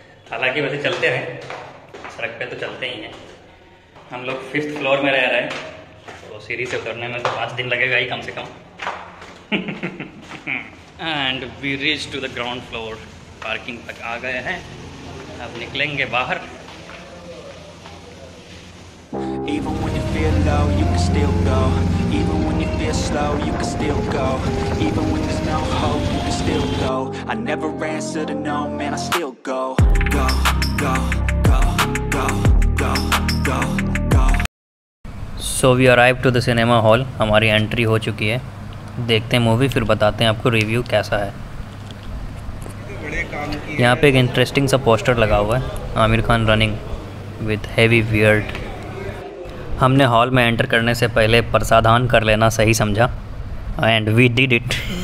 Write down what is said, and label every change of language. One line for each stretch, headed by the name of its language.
Hindi: हालांकि वैसे चलते हैं, सड़क पे तो चलते ही हैं। हम लोग फिफ्थ फ्लोर में रह रहे हैं, तो सीढ़ी से उतरने में तो 5 दिन लगेगा ही कम से कम।
English: and we reach to the ground floor,
Hindi: parking तक आ गए हैं, अब निकलेंगे बाहर।
English: Even when you feel low, you can still go. Even when you feel slow, you can still go. Even when there's no hope, you can still go. I never answer to no, man, I still go. Go, go, go, go, go, go, go. So we arrived to the cinema hall.
Hindi: हमारी entry हो चुकी है। देखते हैं movie, फिर बताते हैं आपको रिव्यू कैसा है। यहाँ पे एक इंटरेस्टिंग सा पोस्टर लगा हुआ है, Aamir Khan
English: Running with heavy beard.
Hindi: हमने हॉल में एंटर करने से पहले प्रसादान कर लेना सही समझा,
English: And we did it.